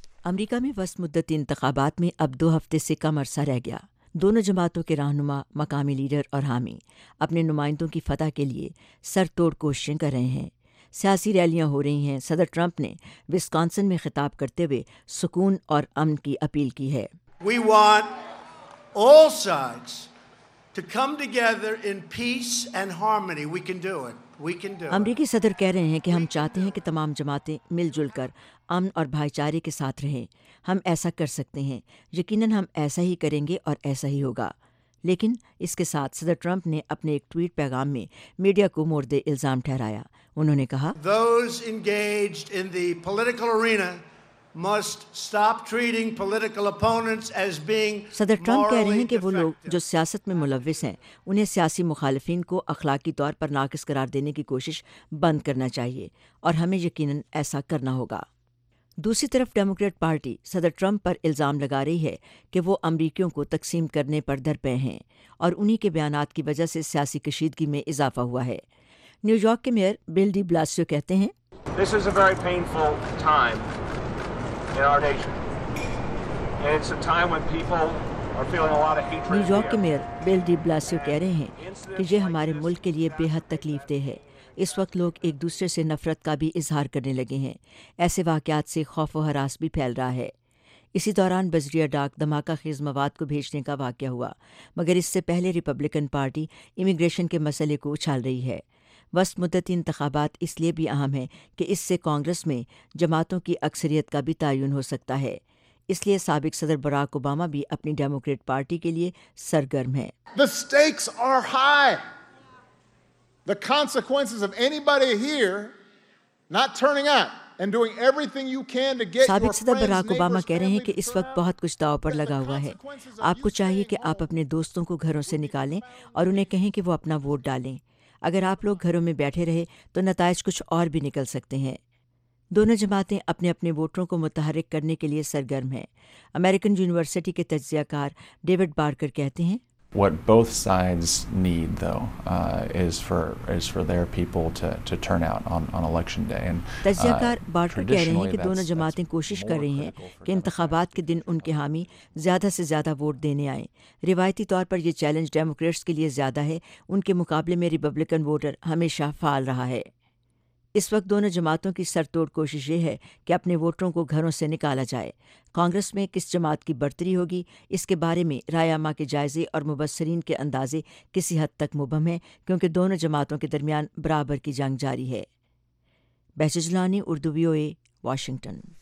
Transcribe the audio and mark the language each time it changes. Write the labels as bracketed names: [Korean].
[Urdu] امریکہ میں وسط مدتی انتخابات میں اب 2 ہفتے سے کم عرصہ رہ گیا۔ دونوں جماعتوں کے رہنما، مقامی لیڈر اور حامی اپنے نمائندوں کی فتح کے لیے سر توڑ کوششیں کر رہے ہیں۔ سیاسی ریلیاں ہو رہی ہیں۔ صدر ٹرمپ نے وسکانسن میں خطاب کرتے ہوئے سکون اور امن کی اپیل کی ہے۔ [English] We want all sides to come together in peace and harmony. We can do it. [Urdu] امریکی صدر کہہ رہے ہیں کہ ہم چاہتے ہیں کہ تمام جماعتیں مل جل کر امن اور بھائی چارے کے ساتھ رہیں۔ ہم ایسا کر سکتے ہیں، یقیناً ہم ایسا ہی کریں گے اور ایسا ہی ہوگا۔ لیکن اس کے ساتھ صدر ٹرمپ نے اپنے ایک ٹویٹ پیغام میں میڈیا کو مورد الزام ٹھہرایا۔ انہوں نے کہا، [English] Those engaged in the political arena must stop treating political opponents as being morally defective. [Urdu] صدر ٹرمپ کہہ رہے ہیں کہ وہ لوگ جو سیاست میں ملوث ہیں انہیں سیاسی مخالفین کو اخلاقی طور پر ناقص قرار دینے کی کوشش بند کرنا چاہیے اور ہمیں یقیناً ایسا کرنا ہوگا۔ دوسری طرف ڈیموکریٹ پارٹی صدر ٹرمپ پر الزام لگا رہی ہے کہ وہ امریکیوں کو تقسیم کرنے پر درپے ہیں اور انہی کے بیانات کی وجہ سے سیاسی کشیدگی میں اضافہ ہوا ہے۔ نیو یارک کے میئر بل ڈی بلاسیو کہتے ہیں، [English] This is a very painful time in our nation. And it's a time when people are feeling a lot of hatred. [Urdu] New York کے میئر بل ڈی بلاسیو کہہ رہے ہیں کہ یہ ہمارے ملک کے لیے بے حد تکلیف دہ ہے۔ اس وقت لوگ ایک دوسرے سے نفرت کا بھی اظہار کرنے لگے ہیں۔ ایسے واقعات سے خوف و ہراس بھی پھیل رہا ہے۔ اسی دوران بذریعہ ڈاک دھماکہ خیز مواد کو بھیجنے کا واقعہ ہوا، مگر اس سے پہلے ریپبلکن پارٹی امیگریشن کے مسئلے کو اچھال رہی ہے۔ وسط مدتی انتخابات اس لیے بھی اہم ہیں کہ اس سے کانگریس میں جماعتوں کی اکثریت کا بھی تعین ہو سکتا ہے۔ اس لیے سابق صدر براک اوباما بھی اپنی ڈیموکریٹ پارٹی کے لیے سرگرم ہیں۔ [English] The stakes are high. The consequences of anybody here not turning up and doing everything you can to get [Urdu] سابق صدر براک اوباما کہہ رہے ہیں کہ اس وقت بہت کچھ داؤ پر لگا ہوا ہے۔ آپ کو چاہیے کہ آپ اپنے دوستوں کو گھروں سے نکالیں اور انہیں کہیں کہ وہ اپنا ووٹ ڈالیں۔ اگر آپ لوگ گھروں میں بیٹھے رہے تو نتائج کچھ اور بھی نکل سکتے ہیں۔ دونوں جماعتیں اپنے اپنے ووٹروں کو متحرک کرنے کے لیے سرگرم ہیں۔ امریکن یونیورسٹی کے تجزیہ کار ڈیوڈ بارکر کہتے ہیں، [English] What both sides need, though, is for their people to turn out on election day. [Urdu] تجزیہ کار بارکر کہہ رہے ہیں کہ دونوں جماعتیں کوشش کر رہی ہیں کہ انتخابات کے دن ان کے حامی زیادہ سے زیادہ ووٹ دینے آئیں۔ روایتی طور پر یہ چیلنج ڈیموکریٹس کے لیے زیادہ ہے، ان کے مقابلے میں ریپبلکن ووٹر ہمیشہ فعال رہا ہے۔ اس وقت دونوں جماعتوں کی سر توڑ کوشش یہ ہے کہ اپنے ووٹروں کو گھروں سے نکالا جائے۔ کانگریس میں کس جماعت کی برتری ہوگی اس کے بارے میں رائے عامہ کے جائزے اور مبصرین کے اندازے کسی حد تک مبہم ہیں، کیونکہ دونوں جماعتوں کے درمیان برابر کی جنگ جاری ہے۔ بہجت جلانی، اردو وی او اے، واشنگٹن۔